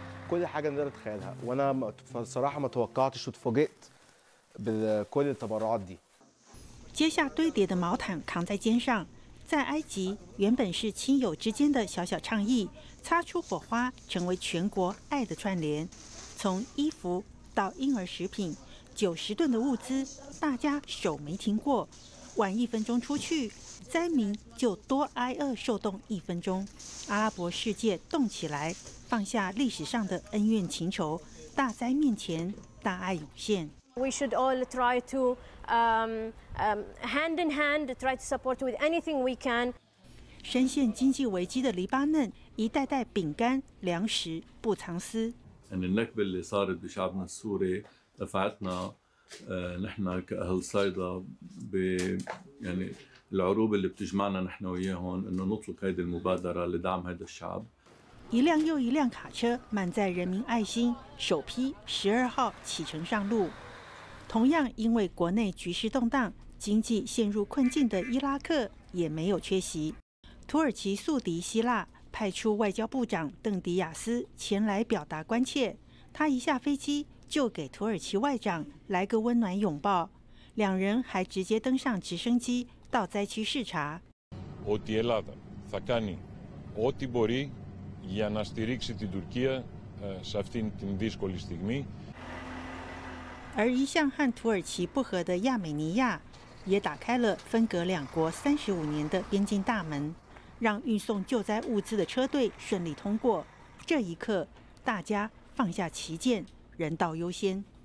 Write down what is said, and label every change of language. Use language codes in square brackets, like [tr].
[ar] كل حاجة نقدر نتخيلها وأنا صراحة ما توقعتش وتفاجئت بكل التبرعات دي。 [zh] 接下堆叠的毛毯扛在肩上，在埃及原本是亲友之间的小小倡议，擦出火花成为全国爱的串联。从衣服到婴儿食品，90吨的物资，大家手没停过。晚一分钟出去，灾民就多挨饿受冻一分钟。阿拉伯世界动起来，放下历史上的恩怨情仇，大灾面前大爱涌现。 [en] We should all try to hand in hand try to support with anything we can。 [zh] 深陷经济危机的黎巴嫩，一袋袋饼干粮食不藏私。 [ar] And the Nakba اللي صارت بشعبنا السوري دفعتنا نحن كأهل صيدا ب يعني العروبة اللي بتجمعنا نحن وياهم إنه نطلق هذه المبادرة لدعم هذا الشعب。 [zh] 一辆又一辆卡车满载人民爱心，首批12号启程上路。同样因为国内局势动荡，经济陷入困境的伊拉克也没有缺席。土耳其宿敌希腊派出外交部长邓迪亚斯前来表达关切，他一下飞机就给土耳其外长来个温暖拥抱，两人还直接登上直升机到灾区视察。 [el] Ότι η Ελλάδα θα κάνει ό,τι μπορεί για να στηρίξει την Τουρκία σε αυτήν την δύσκολη στιγμή。 [zh] 而一向和土耳其不和的亚美尼亚也打开了分隔两国35年的边境大门，让运送救灾物资的车队顺利通过。这一刻大家放下旗舰，人道优先。